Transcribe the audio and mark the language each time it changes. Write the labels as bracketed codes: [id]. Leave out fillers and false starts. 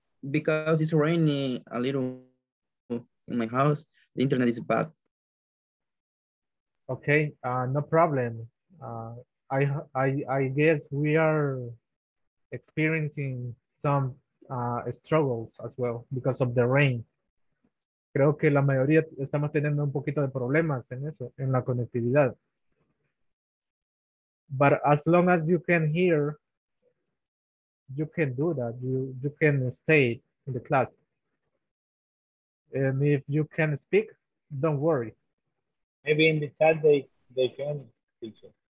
[en] Because it's raining a little in my house, the internet is bad. Okay, no problem. I guess we are experiencing some struggles as well because of the rain. [es] Creo que la mayoría estamos teniendo un poquito de problemas en eso, en la conectividad. [en] But as long as you can hear, you can do that. You can stay in the class. And if you can speak, don't worry. Maybe in the chat they can teach you.